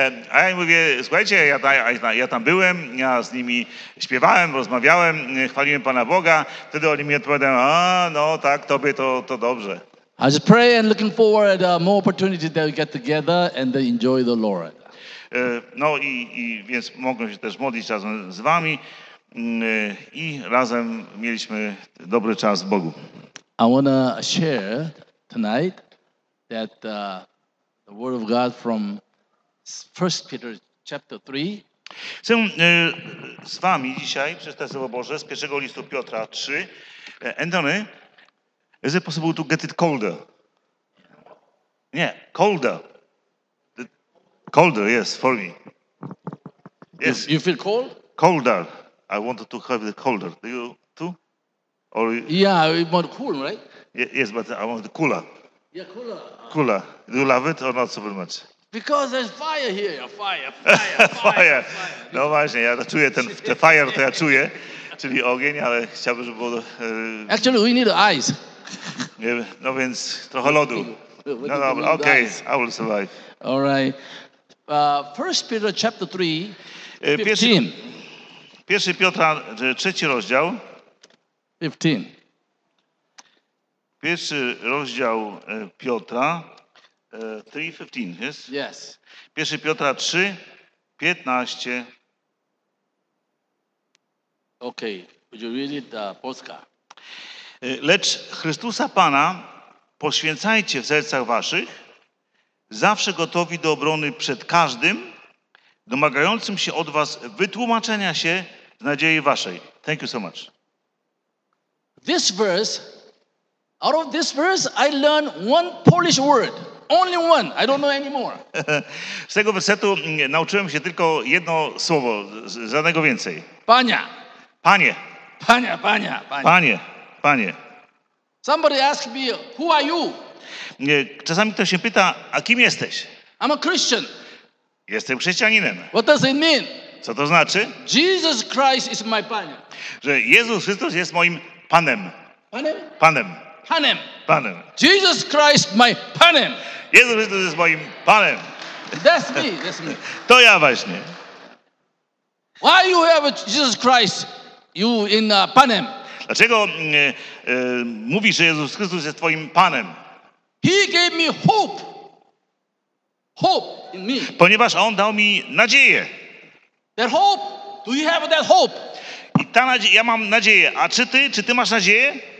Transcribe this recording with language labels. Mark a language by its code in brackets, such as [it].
[pl] A ja mówię, słuchajcie, ja tam byłem, ja z nimi śpiewałem, rozmawiałem, chwaliłem Pana Boga. Wtedy oni mi odpowiadają, a no tak, tobie to dobrze. [en] I just pray and looking forward more opportunities that we get together and enjoy the Lord. [pl] No i więc mogą się też modlić razem z wami. I razem mieliśmy dobry czas w Bogu. [en] I want to share tonight that the word of God from 1 Peter chapter 3. [pl] Chcę z wami dzisiaj przez te słowo Boże z pierwszego listu Piotra 3. [en] Antony, is it possible to get it colder? [pl] Nie, [en] colder. Colder, yes, for me. Yes. You feel cold? Colder. I wanted to have the colder. Do you too? Or yeah, it's more cool, right? Yes, but I want the cooler. Yeah, cooler. Cooler. Do you love it or not so very much? Because there's fire here. Fire. [pl] No właśnie, ja czuję [en] the fire, [pl] to ja czuję, czyli ogień, ale chciałbym, żeby było... [en] Actually, we need ice. [pl] No więc trochę lodu. [en] Okay, ice. I will survive. All right. First Peter chapter 3, 15. [pl] Pierwszy Piotra, trzeci rozdział. 15. Pierwszy rozdział Piotra. [en] 3:15, yes? Yes. [pl] Pierwszy Piotra 3:15. [en] Okay. Would you read it, Polska? [pl] Lecz Chrystusa Pana poświęcajcie w sercach waszych, zawsze gotowi do obrony przed każdym, domagającym się od was wytłumaczenia się z nadziei waszej. [en] Thank you so much. This verse, out of this verse, I learned one Polish word. Only one. I don't know anymore. [pl] Z tego wersetu nauczyłem się tylko jedno słowo, żadnego więcej. Pania. Panie. Pania, pania, panie. Panie, panie. [en] Somebody asked me, who are you? [pl] Czasami ktoś się pyta, a kim jesteś? [en] I'm a Christian. [pl] Jestem chrześcijaninem. [en] What does it mean? [pl] Co to znaczy? [en] Jesus Christ is my Panie. [pl] Że Jezus Chrystus jest moim Panem. Panem? Panem. Panem. Panem. [en] Jesus Christ my Panem. [pl] Jezus Chrystus jest moim Panem. [en] That's me. [pl] To ja właśnie. [en] Why you have Jesus Christ you in Panem? [pl] Dlaczego mówisz, że Jezus Chrystus jest twoim Panem? [en] He gave me hope. Hope in me. [pl] Ponieważ on dał mi nadzieję. [en] That hope? Do you have that hope? [pl] I ja mam nadzieję. A czy ty masz nadzieję?